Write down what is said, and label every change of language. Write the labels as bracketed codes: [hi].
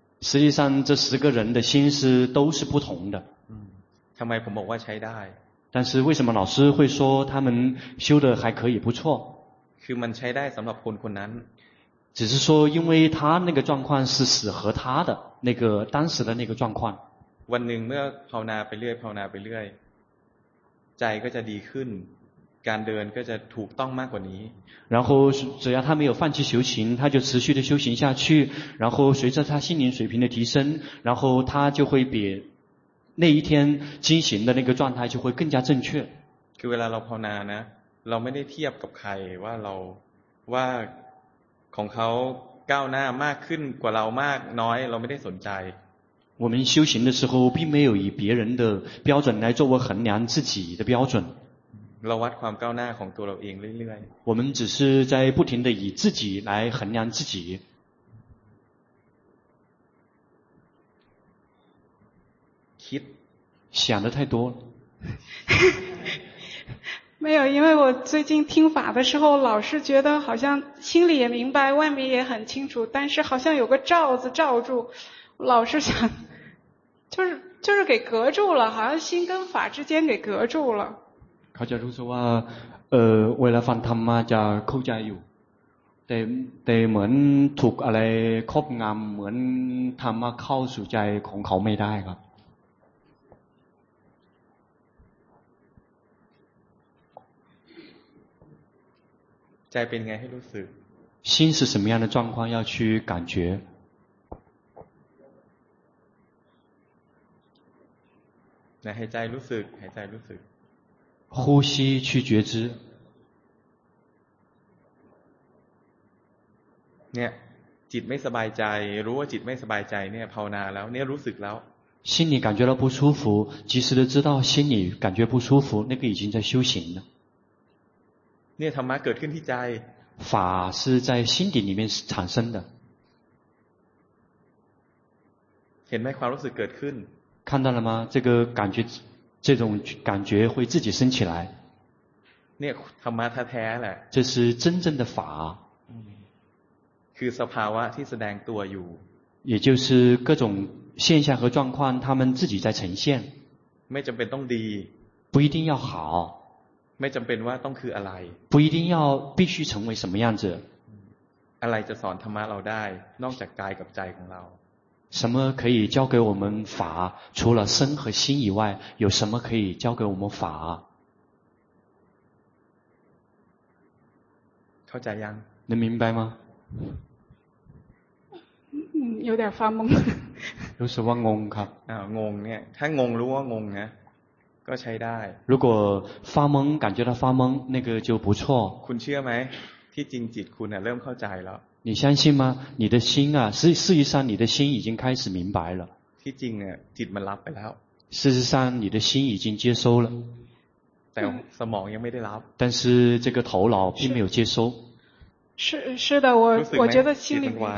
[zh] 实际上这10个人的心是都是不同的 [th] ทำไมผมบอกว่าใช้ได้ [zh] 但是为什么老师会说他们修的还可以不错 [th] คือมันใช้ได้สำหรับคนคนนั้น [zh] 只是说因为他那个状况是适合他的那个当时的那个状况 [th] วันหนึ่งเมื่อภาวนาไปเรื่อยภาวนาไปเรื่อยใจก็จะดีขึ้นการเดินก็จะถูกต้องมากกว่านี้ [zh] 然后只要他没有放弃修行他就持续的修行下去然后随着他心灵水平的提升然后他就会比那一天精行的那个状态就会更加正确 [th] คือเวลาเราภาวนานะเราไม่ได้เทียบกับใครว่าเราว่าของเขาก้าวหน้ามากขึ้นกว่าเรามากน้อยเราไม่ได้สนใจ [zh] 我们修行的时候并没有以别人的标准来作为衡量自己的标准 [th] เราวัดความก้าวหน้าของตัวเราเองเรื่อย [zh] ๆ我们只是在不停地以自己来衡量自己 [th] คิด [zh] 想得太多没有因为我最近听法的时候老是觉得好像心里也明白外面也很清楚但是好像有个罩子罩住老是想就是给隔住了好像心跟法之间给隔住了 [th] เขาจะรู้สึกว่าเวลาฟังธรรมะจะเข้าใจอยู่แต่เหมือนถูกอะไรครอบงำเหมือนธรรมะเข้าสู่ใจของเขาไม่ได้ครับ ใจเป็นไงให้รู้สึก [zh] 心是什么样的状况要去感觉 [th] หายใจรู้สึกหายใจรู้สึก [zh] 呼吸去觉知 [th] เนี่ยจิตไม่สบายใจรู้ว่าจิตไม่สบายใจเนี่ยภาวนาแล้วเนี่ยรู้สึกแล้ว [zh] 心里感觉到不舒服及时的知道心里感觉不舒服那个已经在修行了 [th] เนี่ยธรรมะเกิดขึ้นที่ใจ [zh] 法是在心底里面产生的 [th] เห็นไหมความรู้สึกเกิดขึ้น [zh] 看到了吗这个感觉这种感觉会自己升起来 [th] เนี่ยธรรมะแท้แหละ [zh] 这是真正的法 [th] คือสภาวะที่แสดงตัวอยู่ [zh] 也就是各种现象和状况他们自己在呈现 [th] ไม่จำเป็นต้องดี [zh] 不一定要好 [th] ไม่จำเป็นว่าต้องคืออะไร [zh] 不一定要必须成为什么样子 [th] อะไรจะสอนธรรมะเราได้นอกจากกายกับใจของเรา [zh] 什么可以教给我们法除了身和心以外有什么可以教给我们法 [th] เข้าใจยัง [zh] 能明白吗有点发懵 [th] รู้สึกว่างงครับ งงเนี่ยถ้างงรู้ว่างงนะก็ใช้ได้ [zh] 如果发懵感觉到发懵那个就不错 [th] คุณเชื่อไหมที่จริงจิตคุณเริ่มเข้าใจแล้ว [zh] 你相信吗你的心啊事实上你的心已经开始明白了 [th] ที่จริงจิตมันรับไปแล้ว [zh] 事实上你的心已经接收了 [th] แต่สมองยังไม่ได้รับ [zh] 但是这个头脑并没有接收是的我觉得心里